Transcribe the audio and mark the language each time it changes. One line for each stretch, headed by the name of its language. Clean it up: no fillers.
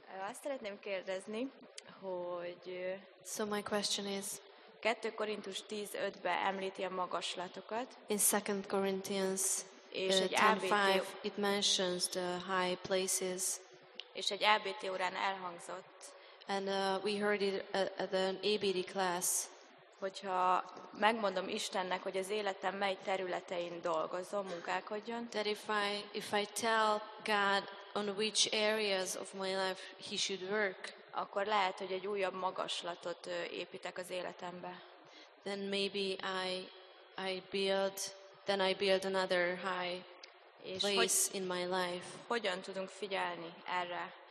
Hungarian: Azt szeretném kérdezni, hogy
English: so my question is
Hungarian: 2 Korintus 10:5-be említi a magaslatokat.
English: In 2 Corinthians 10:5 it mentions the high places.
Hungarian: És egy ABT órán elhangzott.
English: And we heard it at an ABT class.
Hungarian: Hogyha megmondom Istennek, hogy az életem mely területein dolgozom, munkálkodjon.
English: That if I tell God on which areas of my life he should work,
Hungarian: akkor lehet, hogy egy újabb magaslatot építek az életembe.
English: Then maybe I build another high place in my life.
Hungarian: Hogyan tudunk figyelni erre?